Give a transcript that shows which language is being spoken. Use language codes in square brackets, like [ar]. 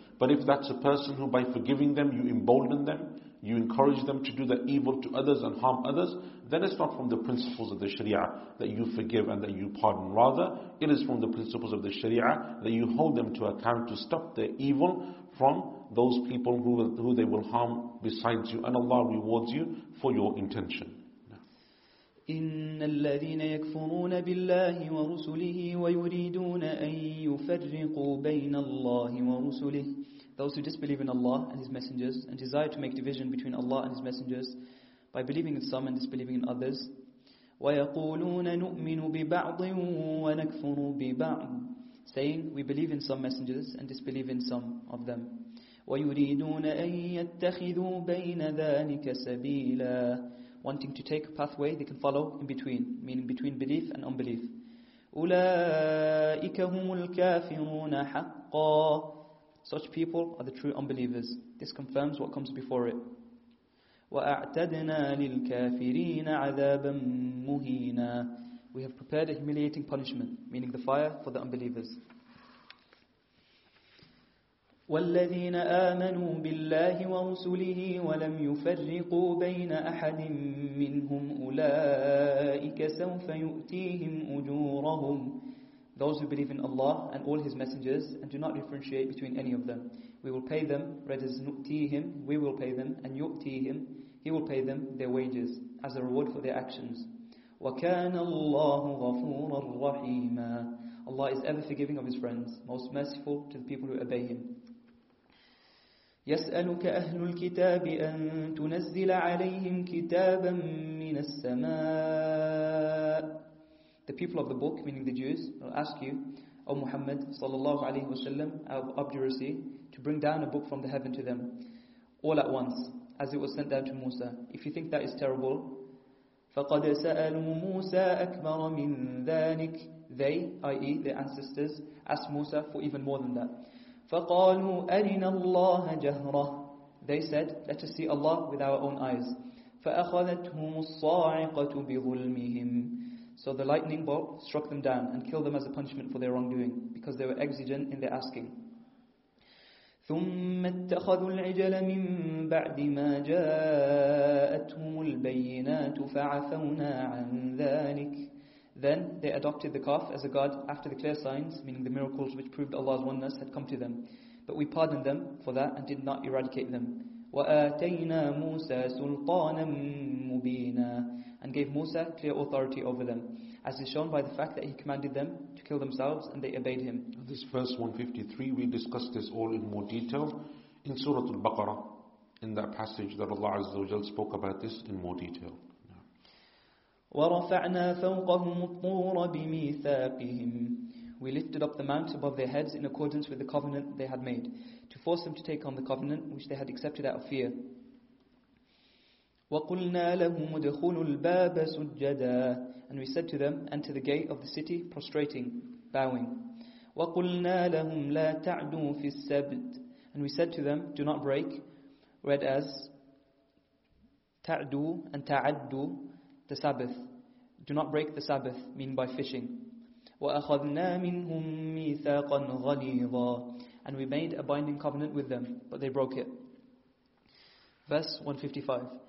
[en] But if that's a person who by forgiving them, you embolden them, you encourage them to do the evil to others and harm others, then it's not from the principles of the Sharia that you forgive and that you pardon. Rather, it is from the principles of the Sharia that you hold them to account to stop their evil from those people who they will harm besides you. And Allah rewards you for your intention. [ar] إن الذين يكفرون بالله ورسله ويريدون أن يفرقوا بين الله ورسله. [en] Those who disbelieve in Allah and His messengers and desire to make division between Allah and His messengers by believing in some and disbelieving in others. [ar] ويقولون نؤمن ببعض ونكفر ببعض. [en] Saying, we believe in some messengers and disbelieve in some of them. [ar] ويريدون أن يتخذوا بين ذلك سبيلا. [en] Wanting to take a pathway they can follow in between, meaning between belief and unbelief. [ar] أُولَٰئِكَ هُمُ الْكَافِرُونَ حَقًّا. [en] Such people are the true unbelievers. This confirms what comes before it. [ar] وَأَعْتَدْنَا لِلْكَافِرِينَ عَذَابًا مُهِينًا. [en] We have prepared a humiliating punishment, meaning the fire for the unbelievers. [ar] والذين آمنوا بالله ورسله ولم يفرقوا بين أحد منهم أولئك سوف يؤتيهم أجورهم. [en] Those who believe in Allah and all His messengers and do not differentiate between any of them, we will pay them, redes [ar] نؤتيهم, [en] we will pay them, and [ar] يؤتيهم, [en] he will pay them their wages as a reward for their actions. [ar] وكان الله غفورا رحيما. [en] Allah is ever forgiving of His friends, most merciful to the people who obey Him. [ar] يسألك أهل الكتاب أن تنزل عليهم كتابا من السماء. [en] The people of the book, meaning the Jews, will ask you, O Muhammad, [ar] صلى الله عليه وسلم, [en] out of obduracy, to bring down a book from the heaven to them, all at once, as it was sent down to Musa. If you think that is terrible, [ar] فقد سألوا موسى أكبر من ذلك. [en] They, i.e. their ancestors, asked Musa for even more than that. [ar] فَقَالُوا أَرِنَا اللَّهَ جَهْرَهُ. [en] They said, let us see Allah with our own eyes. [ar] فَأَخَذَتْهُمُ الصَّاعِقَةُ بِظُلْمِهِمْ. [en] So the lightning bolt struck them down and killed them as a punishment for their wrongdoing, because they were exigent in their asking. [ar] ثُمَّ اتَّخَذُوا الْعِجَلَ مِنْ بَعْدِ مَا جَاءَتْهُمُ الْبَيِّنَاتُ فَعَفَوْنَا عَنْ ذَلِكَ. [en] Then they adopted the calf as a god after the clear signs, meaning the miracles which proved Allah's oneness, had come to them. But we pardoned them for that and did not eradicate them. [ar] وَآتَيْنَا مُوسَى سُلْطَانًا مُبِينًا. [en] And gave Musa clear authority over them, as is shown by the fact that he commanded them to kill themselves and they obeyed him. This verse 153, we discussed this all in more detail in Surah Al-Baqarah, in that passage that Allah Azza wa Jalla spoke about this in more detail. [ar] ورفعنا فوقهم الطور بميثاقهم. [en] We lifted up the mount above their heads in accordance with the covenant they had made, to force them to take on the covenant which they had accepted out of fear. [ar] وقلنا لهم ادخلوا الباب سجدا. [en] And we said to them, enter the gate of the city prostrating, bowing. [ar] وقلنا لهم لا تعدوا في السبت. [en] And we said to them, do not break. Read as [ar] تعدوا and تعدوا. [en] The Sabbath. Do not break the Sabbath, meaning by fishing. [ar] وَأَخَذْنَا مِنْهُمْ مِيثَاقًا غَلِيظًا. [en] And we made a binding covenant with them, but they broke it. Verse 155.